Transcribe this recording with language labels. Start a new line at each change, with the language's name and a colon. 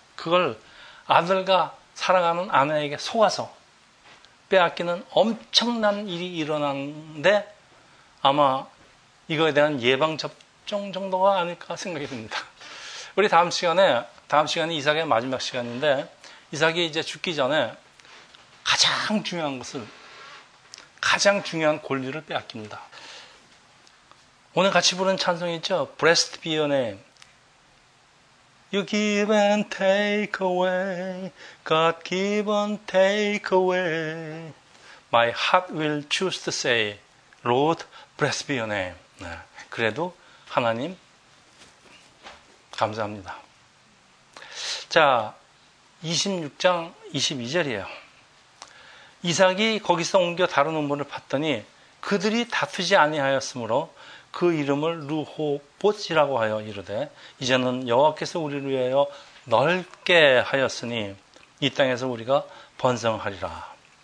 Korean: 그걸 아들과 사랑하는 아내에게 속아서 빼앗기는 엄청난 일이 일어났는데, 아마 이거에 대한 예방접종 정도가 아닐까 생각이 듭니다. 우리 다음 시간이 이삭의 마지막 시간인데, 이삭이 이제 죽기 전에 가장 중요한 것을, 가장 중요한 권리를 빼앗깁니다. 오늘 같이 부른 찬송 있죠?
English: Blessed be your name. You give and take away, God give and take away. My heart will choose to say, Lord, blessed be your name.
Korean: 네. 그래도 하나님, 감사합니다. 자, 26장 22절이에요. 이삭이 거기서 옮겨 다른 우물을 팠더니 그들이 다투지 아니하였으므로 그 이름을 르호봇이라고 하여 이르되 이제는 여호와께서 우리를 위하여 넓게 하였으니 이 땅에서 우리가 번성하리라.